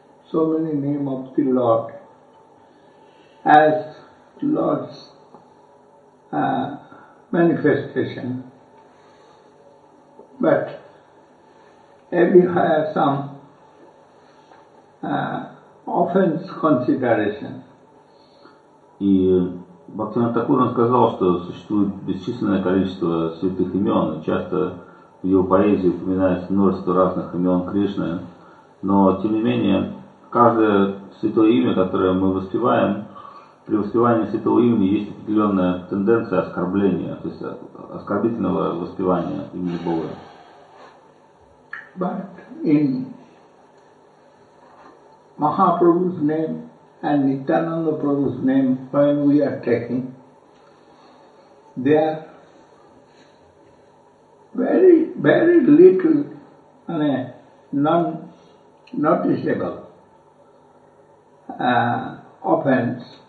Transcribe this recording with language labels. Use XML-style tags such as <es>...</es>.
<en>So many names of the Lord. As Lord's manifestation. But everywhere some offense consideration.</en> <ru>И Бхактивинода Тхакур сказал, что существует бесчисленное количество святых имен. Часто в его поэзии упоминается множество разных имен Кришны. Но тем не менее, каждое святое имя, которое мы воспеваем, при воспевании святого имени есть определенная тенденция оскорбления, то есть оскорбительного воспевания имени Бога.</ru> <en>But in Mahaprabhu's name and Nityananda Prabhu's name, when we are taking, they are very, very little, non-noticeable offense.</en>